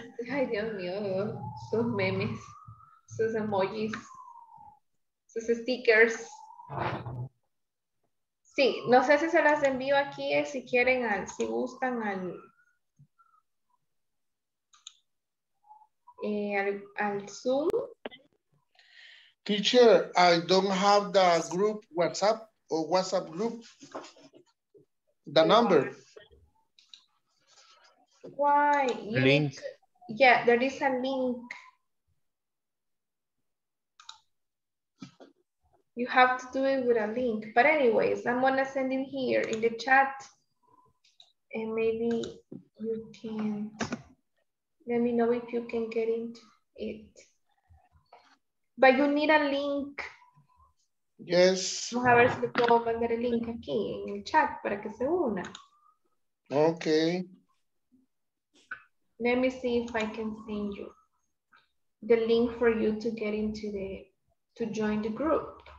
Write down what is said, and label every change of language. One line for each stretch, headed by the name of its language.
Spanish: Ay, Dios mío, sus memes, sus emojis, sus stickers. Sí, no sé si se las envío aquí, si quieren, si gustan al Zoom.
English: Teacher, I don't have the group WhatsApp or WhatsApp group, the number. Why? Link. Yeah, there is a link. You have to do it with a link. But anyways, I'm gonna send it here in the chat. And maybe you can let me know if you can get into it. But you need a link. Yes.
Spanish: Vamos a ver si le puedo mandar el link aquí en el chat para que se una.
English: Okay. Let me see if I can send you. the link for you to get into the to join the group.